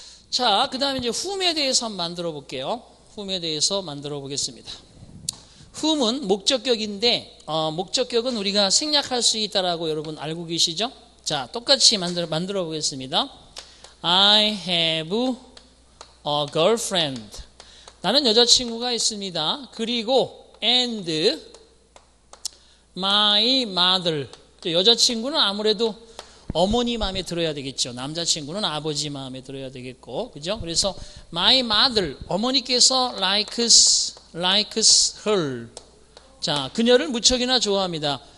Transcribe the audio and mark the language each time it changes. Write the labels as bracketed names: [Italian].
[Korean] 자, 그 다음에 이제 whom에 대해서 한번 만들어 볼게요. whom에 대해서 만들어 보겠습니다. whom은 목적격인데, 목적격은 우리가 생략할 수 있다라고 여러분 알고 계시죠? 자, 똑같이 만들어 보겠습니다. [English] I have a girlfriend. [Korean] 나는 여자친구가 있습니다. 그리고 [English] and my mother. [Korean] 여자친구는 아무래도 어머니 마음에 들어야 되겠죠. 남자친구는 아버지 마음에 들어야 되겠고, 그죠? 그래서 [English] my mother, [Korean] 어머니께서 [English] likes her. [Korean] 자, 그녀를 무척이나 좋아합니다.